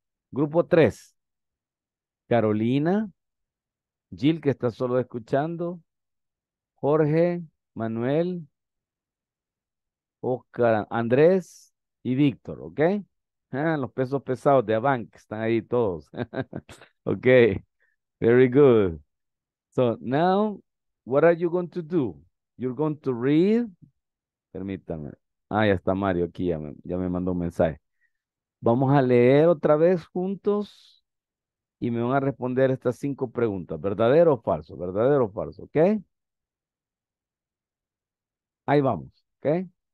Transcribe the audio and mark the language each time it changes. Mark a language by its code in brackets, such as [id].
[es] Grupo 3, Carolina, Jill, que está solo escuchando, Jorge, Manuel, Oscar, Andrés y Víctor, ¿ok? Ah, los pesos pesados de Avanc están ahí todos. [en] Ok, very good. So now, what are you going to do? You're going to read. [es] Permítame. Ah, ya está Mario aquí, ya me mandó un mensaje. Vamos a leer otra vez juntos y me van a responder estas 5 preguntas. ¿Verdadero o falso? ¿Verdadero o falso? ¿Ok? Ahí vamos, ¿ok?